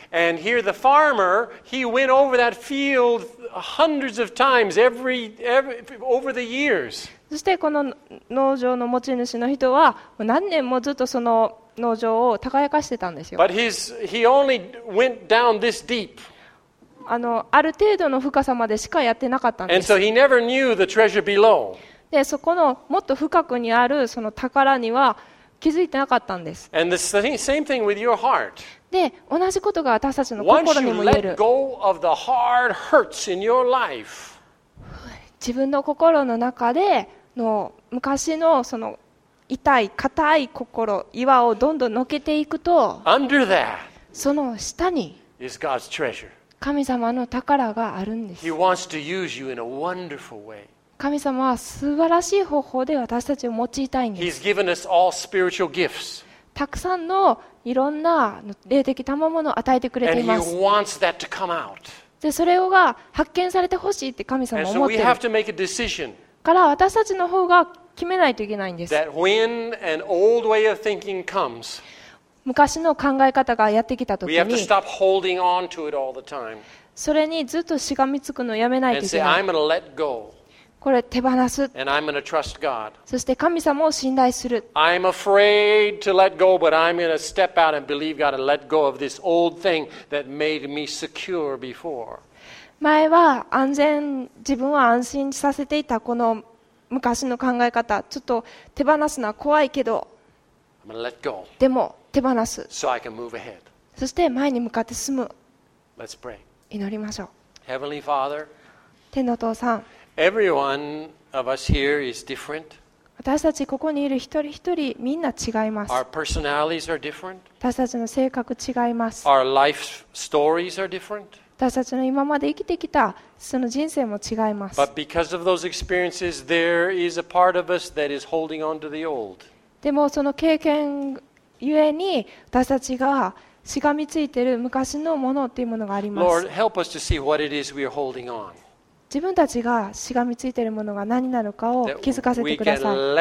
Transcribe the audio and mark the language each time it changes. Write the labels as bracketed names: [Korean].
[English] Yeah. And here the farmer, he went over that field hundreds of times every over the years. [Japanese] そしてこの農場の持ち主の人は何年もずっとその農場を耕してたんですよ。 [English] But he only went down this deep. [Japanese] ある程度の深さまでしかやってなかったんです。 [English] And so he never knew the treasure below. [Japanese] で、そこのもっと深くにあるその宝には気づいてなかったんです。 [English] And the same thing with your heart. [Japanese] で、同じことが私たちの心にも言える。 [English] Once you let go of the hard hurts in your life, [Japanese] 自分の心の中での昔のその痛い硬い心岩をどんどんのけていくと、 [English] Under that, [Japanese] その下に [English] is God's treasure. [Japanese] 神様の宝があるんです。 [English] He wants to use you in a wonderful way. [Japanese] 神様は素晴らしい方法で私たちを用いたいんです。 [English] He's given us all spiritual gifts. [Japanese] たくさんのいろんな霊的賜物を与えてくれています。 [English] And he wants that to come out. [Japanese] で、それが発見されてほしいって神様は思っている。 [English] And so we have to make a decision. [Japanese] から私たちの方が決めないといけないんです。 [English] That when an old way of thinking comes, [Japanese] 昔の考え方がやってきたときに、 [English] we have to stop holding on to it all the time. [Japanese] それにずっとしがみつくのをやめないといけない。 [English] And say, I'm going to let go. [Japanese] これ手放す。 [English] And I'm gonna trust God. [Japanese] そして神様を信頼する。 [English] I'm afraid to let go, but I'm gonna step out and believe God and let go of this old thing that made me secure before. [Japanese] 前は安全、自分は安心させていたこの昔の考え方、ちょっと手放すのは怖いけど、 [English] I'm gonna let go. [Japanese] でも手放す。 [English] So I can move ahead. [Japanese] そして前に向かって進む。 [English] Let's pray. [Japanese] 祈りましょう。 [English] Heavenly Father. [Japanese] 天の父さん。 [English] Every one of us here is different. [Japanese] 私たちここにいる一人一人みんな違います。 [English] Our personalities are different. [Japanese] 私たちの性格違います。 [English] Our life stories are different. [Japanese] 私たちの今まで生きてきたその人生も違います。 [English] But because of those experiences, there is a part of us that is holding on to the old. [Japanese] でもその経験ゆえに私たちがしがみついている昔のものっていうものがあります。 [English] Lord, help us to see what it is we are holding on. [Japanese] 自分たちがしがみついているものが何なのかを気づかせてください。